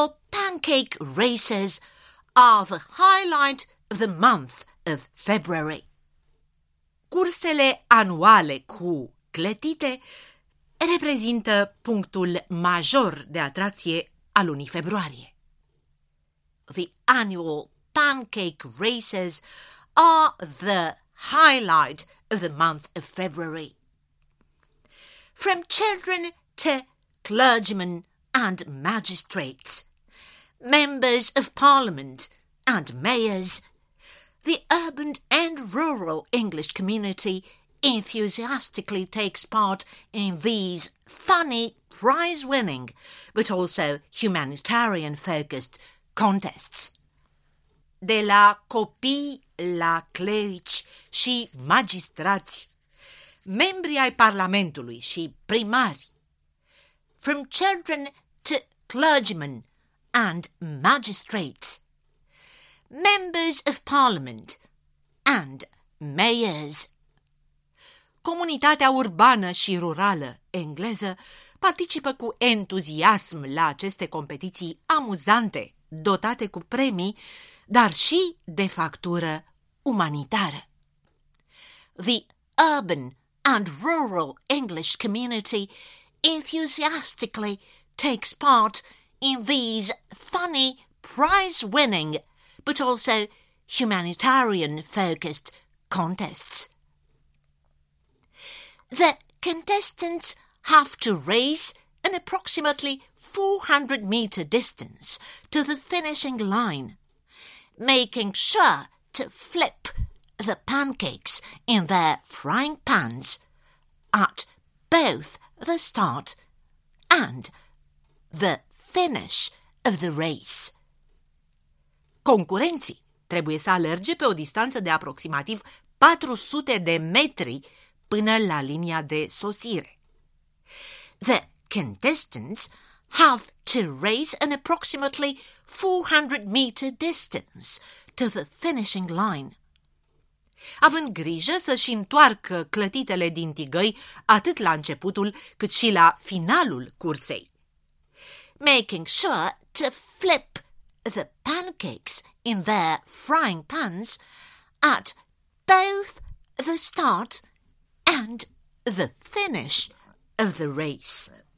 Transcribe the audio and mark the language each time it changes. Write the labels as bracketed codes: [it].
[en] Pancake races are the highlight of the month of February. [ro] Cursele anuale cu clătite reprezintă punctul major de atracție al lunii februarie. [en] The annual pancake races are the highlight of the month of February. From children to clergymen and magistrates, members of parliament and mayors, the urban and rural English community enthusiastically takes part in these funny, prize-winning, but also humanitarian-focused contests. [ro] De la copii la clerici și magistrați, membri ai parlamentului și primari, [en] from children to clergymen and magistrates, members of parliament and mayors. [ro] Comunitatea urbană și rurală engleză participă cu entuziasm la aceste competiții amuzante, dotate cu premii, dar și de factură umanitară. [en] The urban and rural English community enthusiastically takes part in these funny, prize-winning, but also humanitarian-focused contests. The contestants have to race an approximately 400-metre distance to the finishing line, making sure to flip the pancakes in their frying pans at both the start and the finish of the race. [ro] Concurenții trebuie să alerge pe o distanță de aproximativ 400 de metri până la linia de sosire. [en] The contestants have to race an approximately 400-metre distance to the finishing line. [ro] Având grijă să-și întoarcă clătitele din tigăi atât la începutul cât și la finalul cursei. [en] Making sure to flip the pancakes in their frying pans at both the start and the finish of the race.